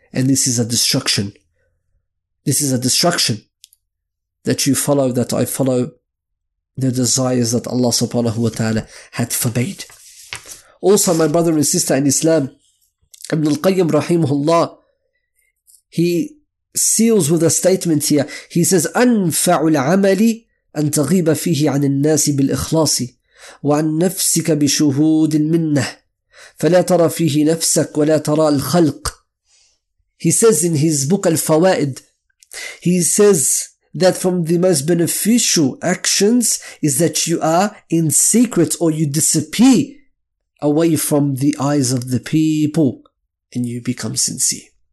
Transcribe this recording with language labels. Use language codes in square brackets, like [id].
[en] And this is a destruction. This is a destruction that you follow, that I follow the desires that Allah subhanahu wa ta'ala had forbade. Also, my brother and sister in Islam, Ibn al-Qayyim rahimahullah, he seals with a statement here. He says, [ar] أَنْفَعُ الْعَمَلِ أن تغيب فيه عن الناس بالإخلاص وعن نفسك بشهود منه فلا ترى فيه نفسك ولا ترى الخلق. [en] He says in his book Al-Fawaid, he says that from the most beneficial actions is that you are in secret, or you disappear away from the eyes of the people and you become sincere.